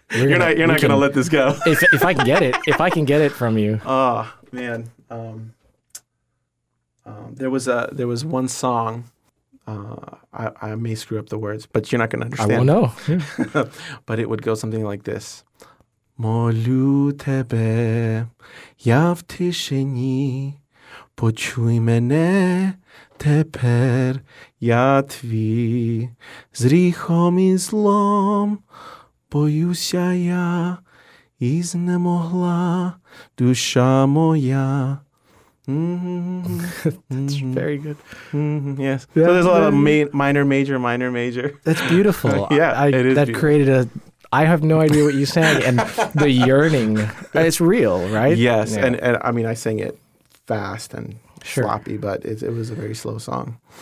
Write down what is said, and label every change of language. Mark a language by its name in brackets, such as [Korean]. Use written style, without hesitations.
[English] You're not going to let this go. if I can get it, if I can get it from you. Oh, man. There was one song. I may screw up the words, but you're not going to understand. I won't know. But it would go something like this. [Ukrainian] Молю тебе, я в тишині, почуй мене тепер, я твій, з гріхом і злом, боюся я, і знемогла душа моя. [English] Mm-hmm. That's very good. Mm-hmm. Yes. Yeah. So there's a lot of minor, major. That's beautiful. it is that beautiful. Created a... I have no idea what you sang, and the yearning, it's real, right? Yes, yeah. And I mean, I sang it fast and sure. Sloppy, but it was a very slow song.